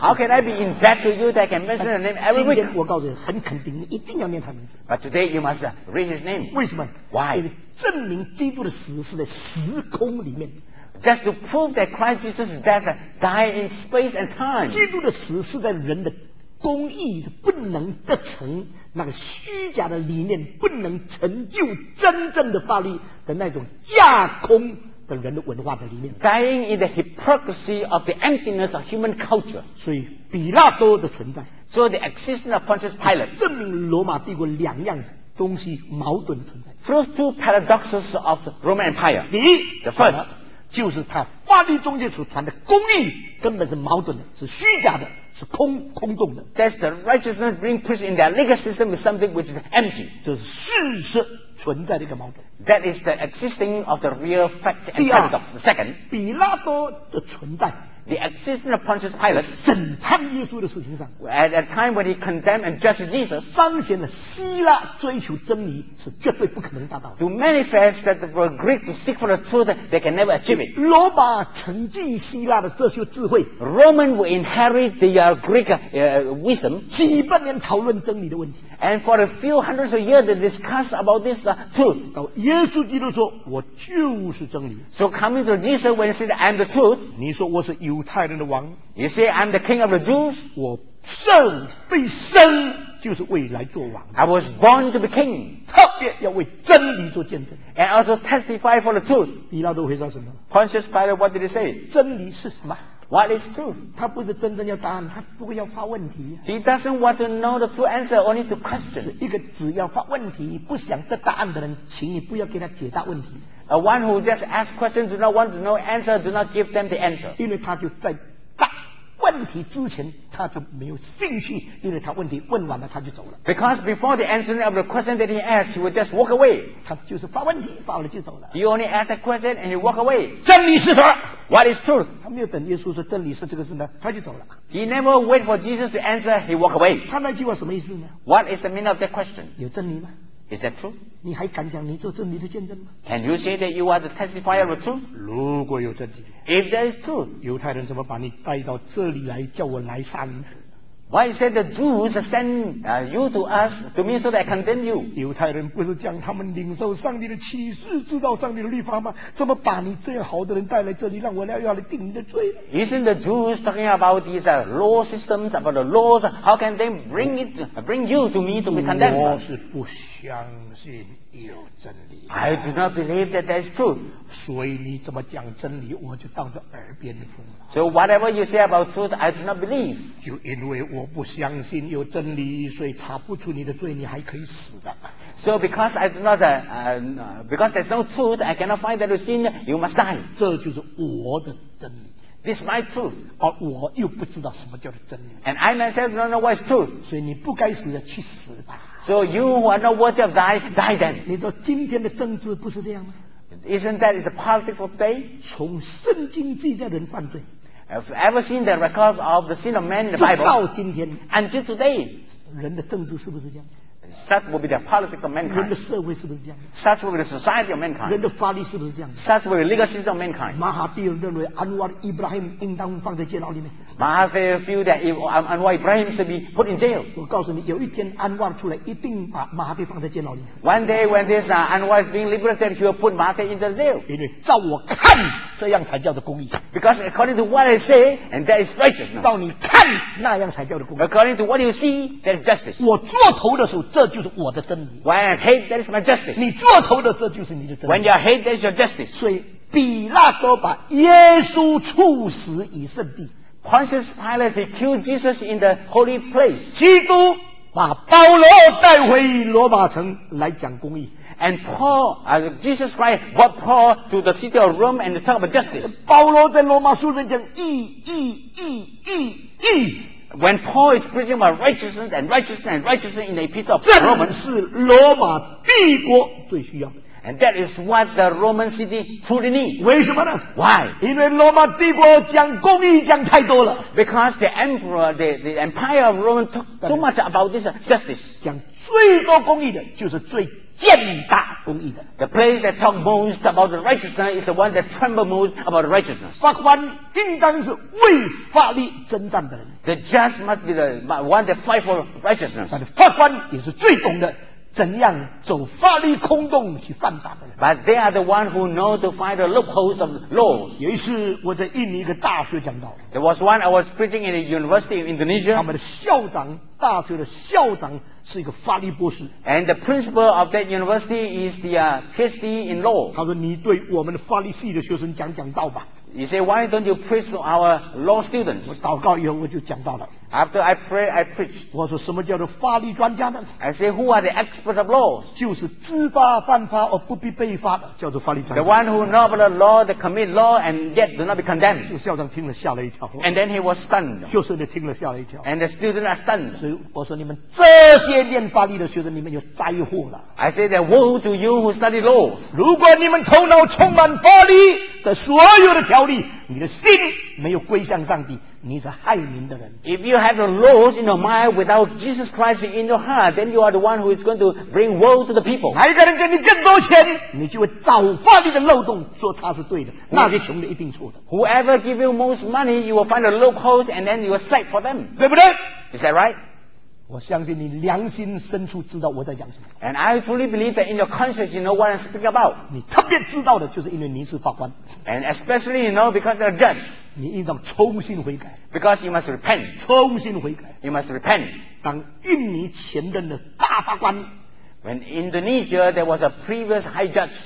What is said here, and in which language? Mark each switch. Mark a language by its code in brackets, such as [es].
[en] How can I be in debt to you that I can mention your name every week? [zh] 今天我告诉你，很肯定，你一定要念他名字。 [en] But today you must read his name. [zh] 为什么 [en] ？Why? [zh] 证明基督的死是在时空里面。 [en] Just to prove that Christ Jesus' death died in space and time. [zh] 基督的死是在人的公义不能得成那个虚假的理念不能成就真正的法律的那种架空的人的文化的理念。 [en] Dying in the hypocrisy of the emptiness of human culture. [zh] 所以比拉多的存在。 [en] So the existence of Pontius Pilate. [zh] 证明罗马帝国两样东西矛盾存在。 [en] First two paradoxes of the Roman Empire. [zh] 第一 [en] ，the first. [zh] 就是他法律中间所传的公义根本是矛盾的是虚假的是空洞的 [en] That's the righteousness being preached in their legal system is something which is empty [zh] 这是事实存在的一个矛盾 [en] That is the existing of the real fact and paradox The second [zh] 比拉多的存在 [en] The existence of Pontius Pilate [zh] 审判耶稣的事情上 [en] At a time when he condemned and judged Jesus [zh] 彰显了希腊追求真理是绝对不可能达到的 [en] To manifest that the Greek to seek for the truth they can never achieve it [zh] 罗马承继希腊的哲学智慧 [en] Roman will inherit theGreek wisdom [zh] 几百年讨论真理的问题 [en] and for a few hundreds of years they discuss about this truth [zh] 到耶稣基督说我就是真理 [en] so coming to Jesus when he said I'm the truth [zh] 你说我是犹太人的王 [en] you say I'm the king of the Jews [zh] 我生被生就是为来做王 [en] I was born to be king [zh] 特别要为真理做见证 [en] and also testify for the truth [zh] 比拉多回答什么 [en] Pontius Pilate what did he say [zh] 真理是什么 [en] What is truth? [zh] 他不是真正要答案，他不会要发问题。 [en] He doesn't want to know the true answer, only to question. [zh] 一个只要发问题，不想得答案的人，请你不要给他解答问题。 [en] A one who just asks questions, do not want to know answer, do not give them the answer. [zh] 因为他就在答问题之前他就没有兴趣，因为他问题问完了他就走了。 [en] Because before the answering of the question that he asked, he would just walk away. [zh] 他就是发问题发了就走了。 [en] He only asked a question and he walk away. [zh] 真理是什么？ [en] What is truth? [zh] 他没有等耶稣说真理是这个事呢，他就走了。 [en] He never wait for Jesus to answer, he walk away. [zh] 他那句话什么意思呢？ [en] What is the meaning of that question? [zh] 有真理吗？ [en] Is that true? [zh] 你还敢讲你做真理的见证吗？ [en] Can you say that you are the testifier of truth? [zh] 如果有真理， [en] If there is truth, [zh] 犹太人怎么把你带到这里来叫我来杀你呢？ [en] Why is it the Jews send you to us to me so that I condemn you? [zh] 犹太人不是讲他们领受上帝的启示，知道上帝的律法吗？怎么把你这样好的人带来这里让我来要来定你的罪呢？ [en] Isn't the Jews talking about these law systems, about the laws? How can they bring you to me to be condemned? [zh] 我是不相信有真理。 [en] I do not believe that there is truth. [zh] 所以你怎么讲真理我就当作耳边风。 [en] So whatever you say about truth, I do not believe. [zh] 就因为我不相信有真理，所以查不出你的罪，你还可以死的。 [en] So because I do not because there is no truth, I cannot find that you sin, you must die. [zh] 这就是我的真理。 [en] This is my truth. [zh] 而我又不知道什么叫做真理。 [en] And I myself don't know what is truth. [zh] 所以你不该死的去死吧。 [en] So you who are not worthy of die, die then. [zh] 你说今天的政治不是这样吗？ [en] Isn't that the politics of today? [zh] 从圣经记载人犯罪， [en] Have you ever seen the record of the sin of man in the Bible? [zh] 直到今天， [en] Until today, [zh] 人的政治是不是这样？ [en] Such will be the politics of mankind. [zh] 人的社会是不是这样？ [en] Such will be the society of mankind. [zh] 人的法律是不是这样？ [en] Such will be the legal system of mankind. [zh] 马哈蒂尔认为安瓦伊布拉罕应当放在监牢里面。 [en] 马哈蒂尔 feel that Anwar Ibrahim should be put in jail. [zh] 我告诉你，有一天安瓦出来，一定把马哈蒂放在监牢里面。 [en] One day when this Anwar is being liberated, he will put Mahathir in the jail. [zh] 因为照我看，这样才叫做公义。 [en] Because according to what I say, and that is righteousness. [zh] 照你看，那样才叫做公义。 [en] According to what you see, that is justice. [zh] 我做头的时候，这就是我的真理。 [en] When I'm head, that is my justice. [zh] 你做头的，这就是你的真理。 [en] When you're head, that is your justice. [zh] 所以比拉多把耶稣处死于圣地。 [en] Pontius Pilate killed Jesus in the holy place. [zh] 基督把保罗带回罗马城来讲公义。 [en] And Paul, Jesus Christ brought Paul to the city of Rome and talk about justice. [zh] 保罗在罗马书里面讲义义义义义。 [en] When Paul is preaching about righteousness and righteousness and righteousness in the epistle of Romans, [zh] 是罗马帝国最需要。 [en] And that is what the Roman city truly needs. [zh] 为什么呢？ [en] Why? [zh] 因为罗马帝国讲公义讲太多了。 [en] Because the emperor, the empire of Rome talk too much about this justice. [zh] 讲最多公义的就是最践踏公义的。 [en] The place that talk most about the righteousness is the one that tremble most about righteousness. [zh] 法官应当是为法律征战的人。 [en] The just must be the one that fight for righteousness. [zh] 但法官也是最懂的怎样走法律空洞去犯法的人。 [en] But they are the one who know to find the loopholes of laws. [zh] 有一次我在印尼一个大学讲道。 [en] There was one I was preaching in a university in Indonesia. [zh] 他们的校长，大学的校长是一个法律博士。 [en] And the principal of that university is the PhD in law. [zh] 他说你对我们的法律系的学生讲讲道吧。 [en] He said, why don't you preach to our law students? [zh] 我祷告以后我就讲到了。 [en] After I pray, I preached. [zh] 我说什么叫做法律专家呢？ [en] I said, who are the experts of laws? [zh] 就是知法犯法而不必被罚的叫做法律专家。 [en] The one who know about the law, that commit law and yet do not be condemned. [zh] 就校长听了吓了一跳。 [en] And then he was stunned. [zh] 就是你听了吓了一跳。 [en] And the students are stunned. [zh] 所以我说你们这些念法律的学生你们有灾祸了。 [en] I said, woe to you who study laws. [zh] 如果你们头脑充满法律的所有的条例，你的心没有归向上帝，你是害民的人。 [en] If you have the laws in your mind without Jesus Christ in your heart, then you are the one who is going to bring woe to the people. [zh] 哪一个人给你更多钱，你就会找法律的漏洞，说他是对的，那些穷的一定错的。 [en] Whoever give you most money, you will find a loophole and then you will slap for them. [zh] 对不对？ [en] Is that right? [zh] 我相信你良心深处知道我在讲什么。 [en] And I truly believe that in your conscience you know what I'm speaking about. [zh] 你特别知道的就是因为你是法官。 [en] And especially you know because you're a judge. [zh] 你应当重新悔改。 [en] Because you must repent. [zh] 重新悔改。 [en] You must repent. [zh] 当印尼前任的大法官。 [en] When Indonesia there was a previous high judge.